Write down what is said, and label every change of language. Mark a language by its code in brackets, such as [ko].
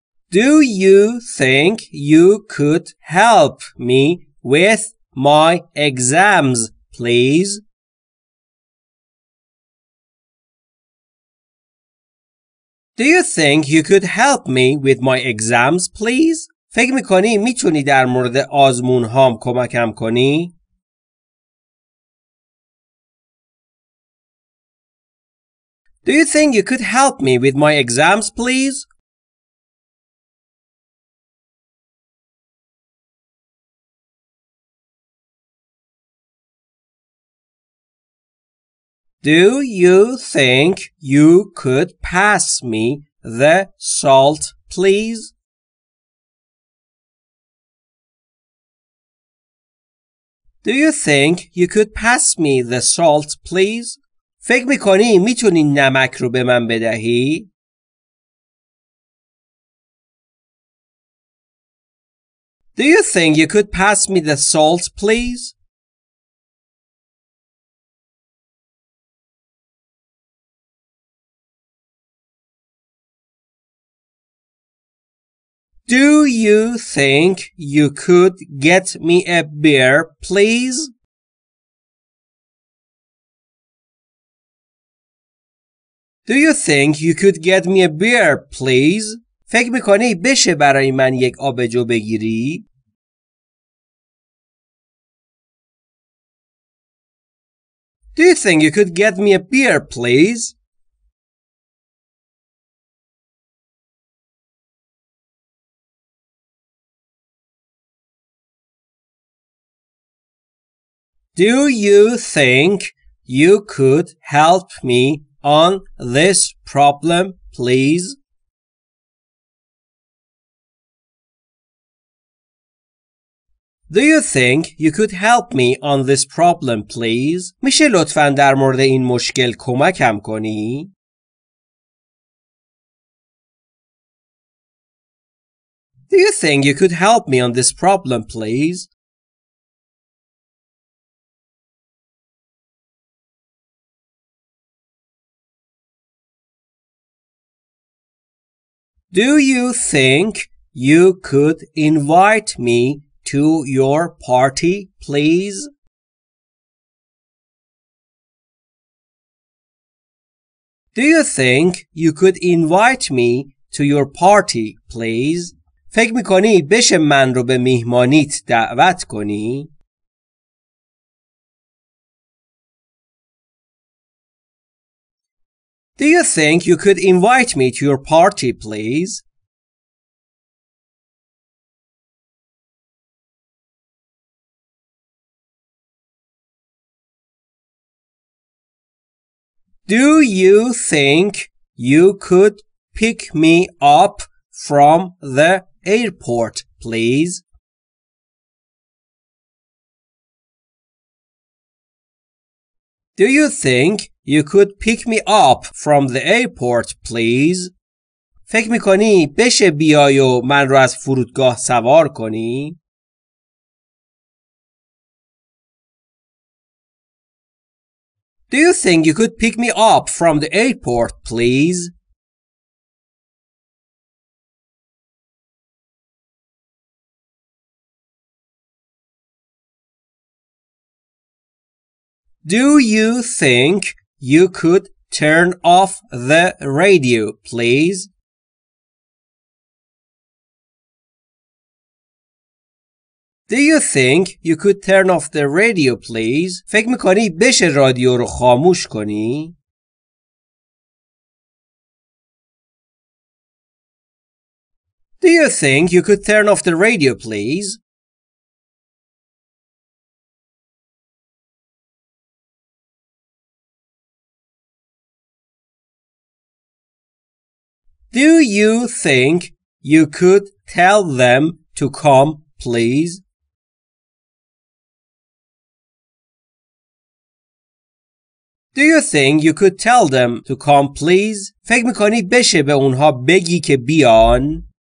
[en] Do you think you could help me with my exams, please? Do you think you could help me with my exams, please? [fa] فکر میکنی میتونی در مورد آزمون هام کمکم کنی؟ [en] Do you think you could help me with my exams, please? Do you think you could pass me the salt, please? Do you think you could pass me the salt, please? [fa] فکر میکنی میتونی نمک رو به من بدهی؟ [en] Do you think you could pass me the salt, please? Do you think you could get me a beer, please? Do you think you could get me a beer, please? [fa] فکر میکنی بشه برای من یک آبجو بگیری؟ [en] Do you think you could get me a beer, please? Do you think you could help me on this problem, please? Do you think you could help me on this problem, please? [fa] میشه لطفاً در مورد این مشکل کمکم کنی؟ [en] Do you think you could help me on this problem, please? Do you think you could invite me to your party, please? Do you think you could invite me to your party, please? [fa] فکر میکنی بشه من رو به میهمانیت دعوت کنی؟ [en] Do you think you could invite me to your party, please? Do you think you could pick me up from the airport, please? Do you think you could pick me up from the airport, please? [fa] فکر میکنی بشه بیای و من رو از فرودگاه سوار کنی؟ [en] Do you think you could pick me up from the airport, please? Do you think you could turn off the radio, please? Do you think you could turn off the radio, please? [fa] فکر میکنی بشه رادیو رو خاموش کنی؟ [en] Do you think you could turn off the radio, please? Do you think you could tell them to come, please? Do you think you could tell them to come, please? [fa] فکر میکنی بشه به اونها بگی که بیان؟